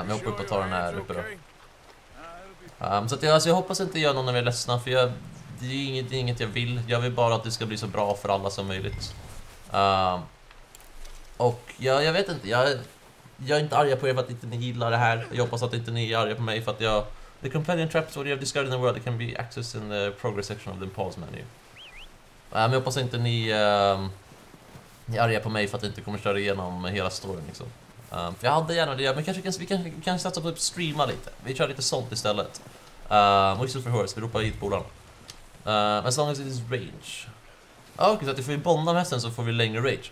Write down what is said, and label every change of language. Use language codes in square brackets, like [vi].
[sv] Men jag hoppar upp och tar den här uppe då. Så att jag hoppas inte gör någon av er ledsna. För jag, det är inget jag vill. Jag vill bara att det ska bli så bra för alla som möjligt. Och jag vet inte, jag är inte arga på er för att inte ni gillar det här. Jag hoppas att inte ni är arga på mig för att jag... [en] The companion traps what you have discovered in the world can be accessed in the progress section of the pause menu. [sv] Men jag hoppas att inte ni är arga på mig för att jag inte kommer köra igenom hela storyn liksom. För jag hade gärna det, men kanske vi kan satsa på att streama lite. Vi kör lite sånt istället. Whistle for horse, vi ropar hit bolan. [en] As long as it is range. [sv] Okej, så att får vi bonda med hästen så får vi längre rage.